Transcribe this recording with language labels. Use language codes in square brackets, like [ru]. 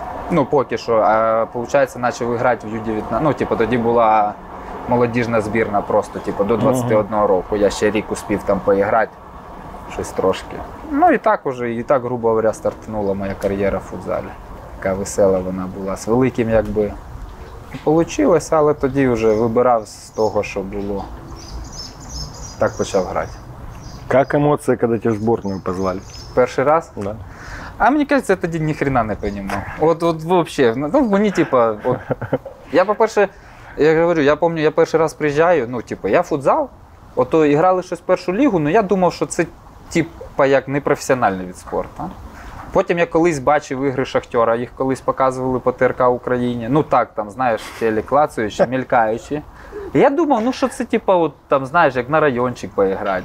[uk] Ну, поки що, а виходить, наче виграти в U19. Ну, типу, тоді була молодіжна збірна просто, типу, до 21 року. Я ще рік успів там поіграти щось трошки. Ну і так уже, і так, грубо говоря, стартнула моя кар'єра в футзалі. Така весела вона була, з великим якби. Получилось, але тоді вже вибирав з того, що було. Так почав грати. [ru] Как эмоции, когда тебя в сборную позвали? [uk] Перший раз? [ru] Да. А мне кажется, это ни хрена не понимал. Вот вообще, ну, мне типа, вот. [uk] Я по-перше, я говорю, [ru] я помню, [uk] я перший раз приезжаю, ну, типа, я футзал, от то играли щось в першу лігу, но я думав, що це типа як непрофесіональний від спорту. Потім я колись бачив ігри Шахтера, їх колись показували по ТРК Україні. Ну, так, там, знаєш, телек клацаючи, мелькаючи. Я думав, ну що це, типа, от там, знаєш, як на райончик поіграти.